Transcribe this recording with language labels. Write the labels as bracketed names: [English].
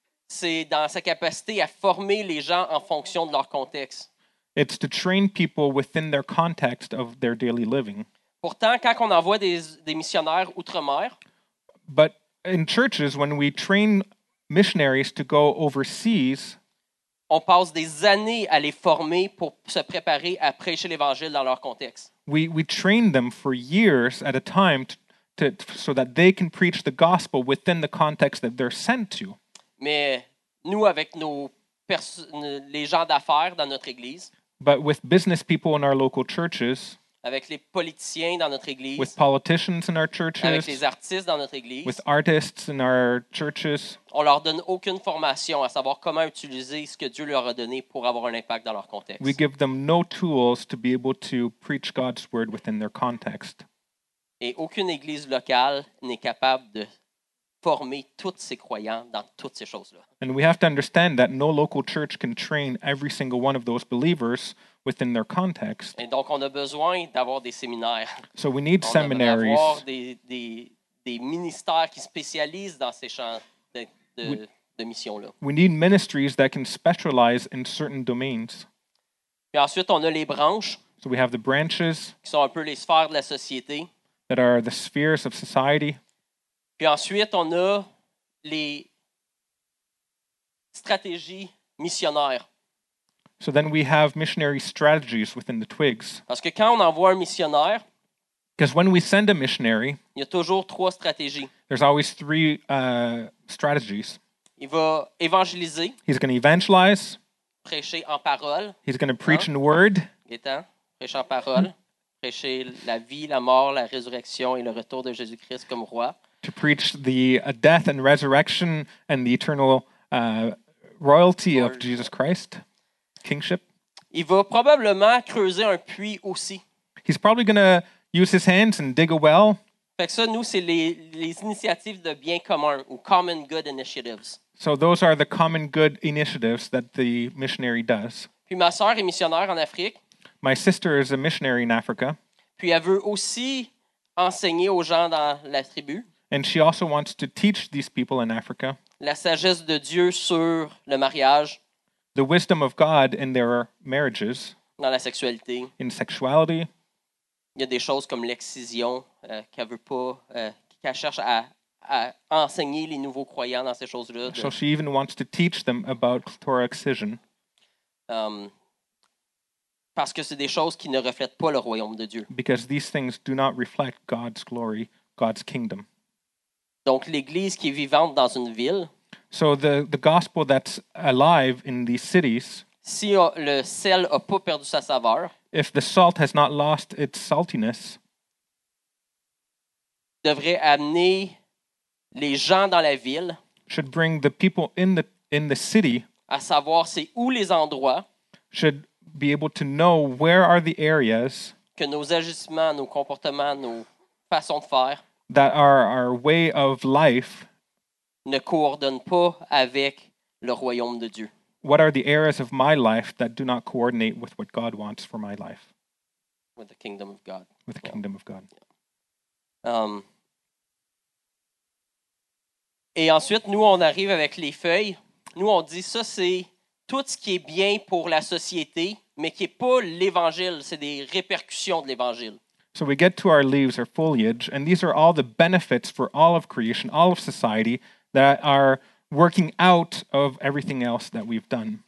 [French] C'est dans sa capacité à former les gens en fonction de leur contexte. [English] It's to train people within their context of their daily living. [French] Pourtant, quand on envoie des missionnaires outre-mer. [English] But in churches, when we train missionaries to go overseas, [French] on passe des années à les former pour se préparer à prêcher l'Évangile dans leur contexte. [English] We train them for years at a time so that they can preach the gospel within the context that they're sent to. [French] Mais nous, avec les gens d'affaires dans notre église, [English] but with business people in our local churches, [French] avec les politiciens dans notre église, [English] with politicians in our churches, [French] avec les artistes dans notre église, [English] with artists in our churches, [French] on leur donne aucune formation à savoir comment utiliser ce que Dieu leur a donné pour avoir un impact dans leur contexte. [English] We give them no tools to be able to preach God's word within their context. [French] Et aucune église locale n'est capable de former tous ses croyants dans toutes ces choses-là. [English] And we have to understand that no local church can train every single one of those believers within their context. [French] Et donc on a besoin d'avoir des séminaires. [English] So we need seminaries. [French] On a besoin d'avoir des ministères qui spécialisent dans ces champs de mission-là. [English] We need ministries that can specialize in certain domains. [French] Et ensuite on a les branches. [English] So we have the branches. [French] Qui sont un peu les sphères de la société. [English] That are the spheres of society. [French] Puis ensuite, on a les stratégies missionnaires. [English] So then we have missionary strategies within the twigs. [French] Parce que quand on envoie un missionnaire, [English] because when we send a missionary, [French] il y a toujours trois stratégies. [English] There's always three strategies. [French] Il va évangéliser. [English] He's going to evangelize. [French] Prêcher en parole. [English] He's going to preach in word. [French] Prêcher en parole. Prêcher la vie, la mort, la résurrection et le retour de Jésus-Christ comme roi. [English] To preach the death and resurrection and the eternal royalty of Jesus Christ, kingship. [French] Il va probablement creuser un puits aussi. [English] He's probably going to use his hands and dig a well. [French] Fait que ça, nous, c'est les initiatives de bien commun ou [English] common good initiatives. So those are the common good initiatives that the missionary does. [French] Puis ma sœur est missionnaire en Afrique. [English] My sister is a missionary in Africa. [French] Puis elle veut aussi enseigner aux gens dans la tribu. [English] And she also wants to teach these people in Africa. [French] La sagesse de Dieu sur le mariage. [English] The wisdom of God in their marriages. [French] Dans la sexualité. [English] In sexuality. [French] Il y a des choses comme l'excision qu'elle veut pas, qu'elle cherche à enseigner les nouveaux croyants dans ces choses-là. [English] So she even wants to teach them about clitoral excision. [French] Parce que c'est des choses qui ne reflètent pas le royaume de Dieu. [English] Because these things do not reflect God's glory, God's kingdom. [French] Donc l'église qui est vivante dans une ville. [English] So the gospel that's alive in these cities. [French] Si le sel a pas perdu sa saveur. [English] If the salt has not lost its saltiness. [French] Devrait amener les gens dans la ville. [English] Should bring the people in the city. [French] À savoir c'est où les endroits. [English] Should be able to know where are the areas. [French] Que nos agissements, nos comportements, nos façons de faire. [English] That our way of life [French] ne coordonne pas avec le royaume de Dieu. [English] What are the areas of my life that do not coordinate with what God wants for my life? With the kingdom of God. With the kingdom of God. [French] Et ensuite, nous, on arrive avec les feuilles. Nous, on dit ça, c'est tout ce qui est bien pour la société, mais qui n'est pas l'Évangile. C'est des répercussions de l'Évangile. [English] So we get to our leaves or foliage, and these are all the benefits for all of creation, all of society, that are working out of everything else that we've done.